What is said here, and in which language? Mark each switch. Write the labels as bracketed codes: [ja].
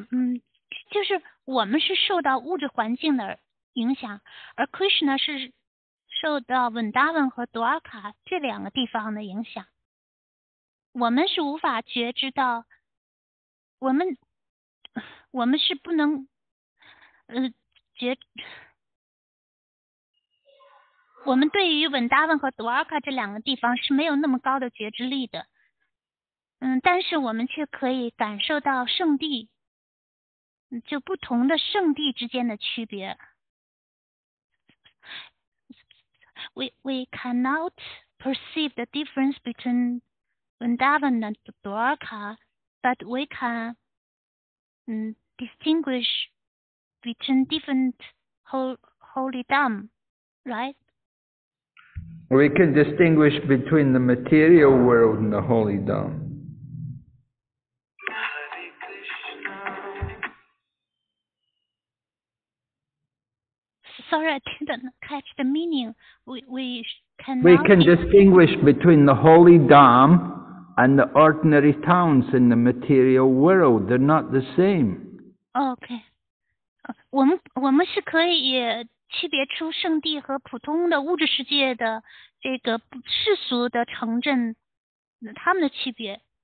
[en] We are affected by the material environment, and Krishna is affected by Vrindavan and Dwarka, these two places. We are not able to know the difference. We are not able to know. [zh] 我们对于文达文和多尔卡这两个地方是没有那么高的觉知力的，但是我们却可以感受到圣地，就不同的圣地之间的区别。 [en] We cannot perceive the difference between Vrindavan and Dwarka, but we can distinguish between different holy dham, right? We can distinguish between the material world and the holy dham. Sorry, I didn't catch the meaning. We can distinguish between the holy dham and the ordinary towns in the material world. They're not the same. Okay. [zh] 我们是可以区别出圣地和普通的物质世界的这个世俗的城镇，他们的区别。